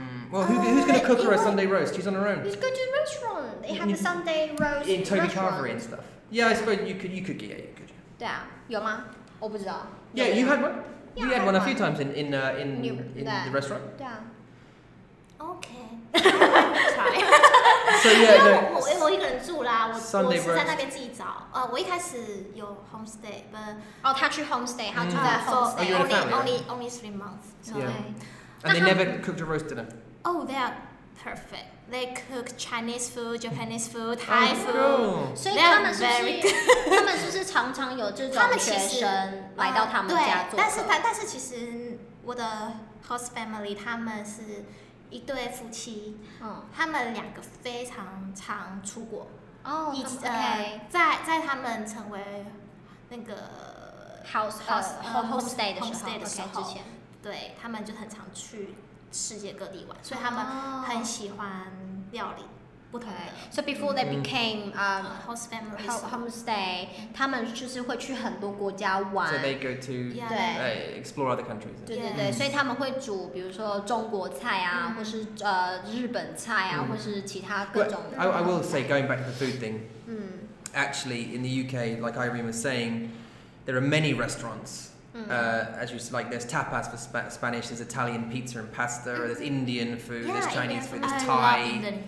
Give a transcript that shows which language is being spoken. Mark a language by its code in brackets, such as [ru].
[en] Well, who's gonna cook her a Sunday roast? She's on her own. You go to the restaurant. They have a Sunday roast. In Toby Carvery and stuff. Yeah, I suppose you could get it, could you? [zh] 对啊，有吗？我不知道。 [en] Yeah, you had one. Yeah, you had one a few times in the restaurant. [zh] 对啊。 [en] Okay. So yeah, [zh] 因为我一个人住啦，我是在那边自己找。我一开始有 homestay， 不，哦，他去 homestay， 他住在 homestay [en] only three months， [zh] 对、 [en] so yeah. And they never cooked a roast dinner. Oh, they are perfect. They cook Chinese food, Japanese food, Thai food. Oh, cool. [zh] 所以他们就是常常有这种学生来到他们家做客。对，但是其实我的 host family 他们是。一对夫妻、嗯、他们两个非常常出国、 [en] oh, okay. [zh] 在他们成为那个 homestay 的时候 homestay 的时候 [en] okay, [zh] 之前对他们就很常去世界各地玩所以他们很喜欢料理不同的、 [en] okay. So before they became、 host family [zh] homestay、嗯、他们就是会去很多国家玩 [en] So they go to、 yeah. explore other countries [zh] 对对对、嗯、所以他们会煮比如说中国菜啊、或是、日本菜啊、嗯、或是其他各种的 [en] I will say going back to the food thing、 [zh] 嗯、 [en] Actually in the UK like Irene was saying There are many restaurants、 [zh] 嗯、 [en] as you said like there's tapas for Spanish There's Italian pizza and pasta、 [zh] 嗯、 [en] There's Indian food yeah, There's Chinese food There's Thai